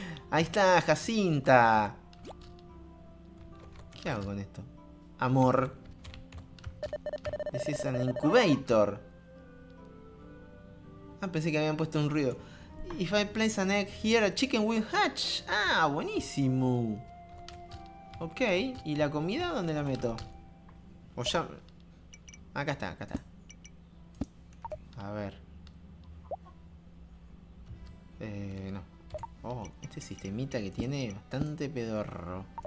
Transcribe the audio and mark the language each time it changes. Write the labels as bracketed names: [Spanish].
[Spanish] Ahí está, Jacinta. ¿Qué hago con esto? Amor. Ese es un incubator. Ah, pensé que habían puesto un ruido. [English] If I place an egg here, a chicken will hatch. [Spanish] Ah, buenísimo. Ok, ¿y la comida dónde la meto? O ya. Acá está, acá está. A ver. No. Oh, este sistemita que tiene bastante pedorro.